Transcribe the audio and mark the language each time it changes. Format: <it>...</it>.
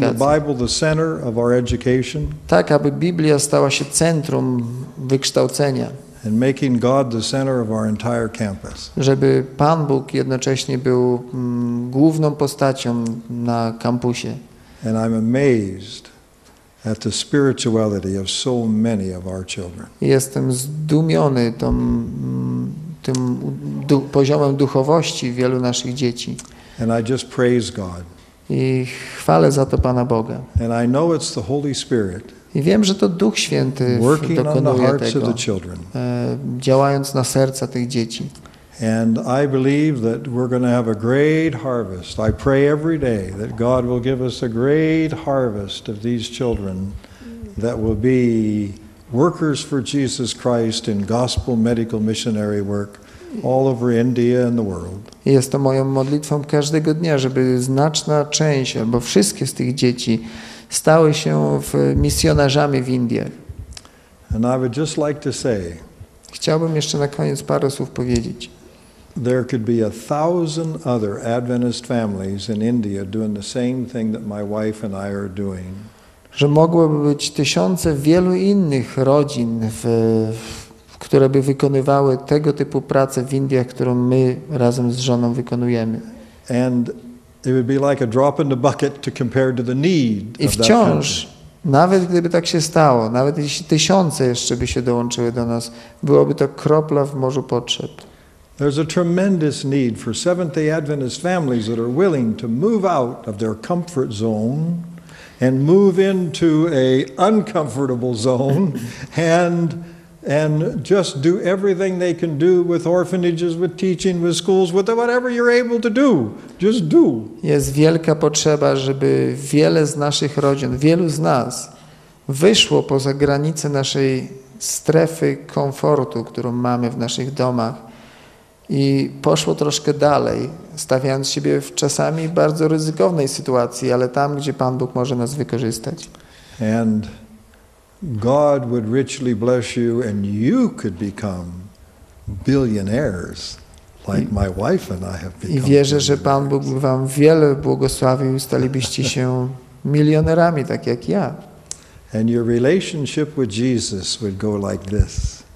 <en>Making the Bible the center of our education.</en> <pl>Tak, aby Biblia stała się centrum wykształcenia.</pl> <en>And making God the center of our entire campus.</en> <pl>Żeby Pan Bóg jednocześnie był główną postacią na kampusie.</pl> <en>And I'm amazed at the spirituality of so many of our children.</en> <pl>Jestem zdumiony tym poziomem duchowości wielu naszych dzieci.</pl> <en>And I just praise God.</en> <pl>I chwalę za to Pana Boga.</pl> <en>And I know it's the Holy Spirit.</en> <pl>I wiem, że to Duch Święty dokonuje tego, działając na serca tych dzieci.</pl> <en>And I believe that we're going to have a great harvest. I pray every day that God will give us a great harvest of these children that will be workers for Jesus Christ in gospel medical missionary work all over India and the world.</en> <pl>Jest to moją modlitwą każdego dnia, żeby znaczna część albo wszystkie z tych dzieci stały się misjonarzami w Indiach.</pl> <en>And I would just like to say,</en> <pl>chciałbym jeszcze na koniec parę słów powiedzieć.</pl> <en>There could be 1,000 other Adventist families in India doing the same thing that my wife and I are doing.</en> <pl>Że mogłoby być tysiące wielu innych rodzin, które by wykonywały tego typu pracę w Indiach, którą my razem z żoną wykonujemy.</pl> <en>And it would be like a drop in the bucket to compare to the need of that country.</en> <pl>Nawet gdyby tak się stało, nawet jeśli tysiące jeszcze by się dołączyły do nas, byłoby to kropla w morzu potrzeb.</pl> <en>There's a tremendous need for Seventh-day Adventist families that are willing to move out of their comfort zone and move into a uncomfortable zone and just do everything they can do with orphanages, with teaching, with schools, with whatever you're able to do. Just do.</en> <pl>Jest wielka potrzeba, żeby wiele z naszych rodzin, wielu z nas wyszło poza granice naszej strefy komfortu, którą mamy w naszych domach i poszło troszkę dalej, stawiając siebie w czasami bardzo ryzykownej sytuacji, ale tam, gdzie Pan Bóg może nas wykorzystać.</pl> <en>And God would richly bless you and you could become billionaires like my wife and I have become.</en> <pl>I wierzę, że Pan Bóg by wam wiele błogosławił i stalibyście się milionerami tak jak ja.</pl> <en>And your relationship with Jesus would go like this.</en>